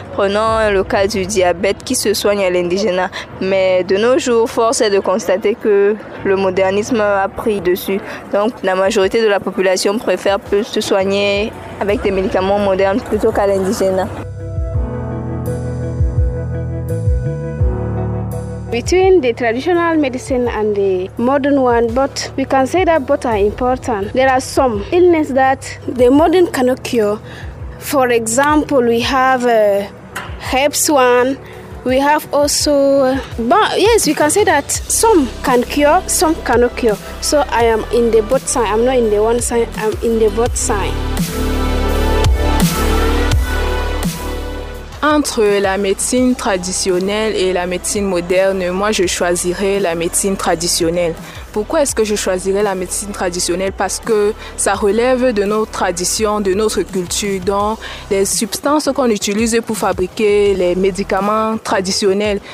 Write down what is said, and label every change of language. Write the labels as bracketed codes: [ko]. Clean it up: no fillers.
[fr] Prenons le cas du diabète qui se soigne à l'indigénat. Mais de nos jours, force est de constater que le modernisme a pris dessus. Donc la majorité de la population préfère plus se soigner avec des médicaments modernes plutôt qu'à l'indigénat. [en] Between the traditional medicine and the modern one, but we can say that both are important. There are some illness that the modern cannot cure. For example, we have herpes one. We have also, but yes, we can say that some can cure, some cannot cure. So I am in the both side. I'm not in the one side, I'm in the both side. [fr] entre la médecine traditionnelle et la médecine moderne, moi je choisirais la médecine traditionnelle. Pourquoi est-ce que je choisirais la médecine traditionnelle? Parce que ça relève de nos traditions, de notre culture, dont les substances qu'on utilise pour fabriquer les médicaments traditionnels.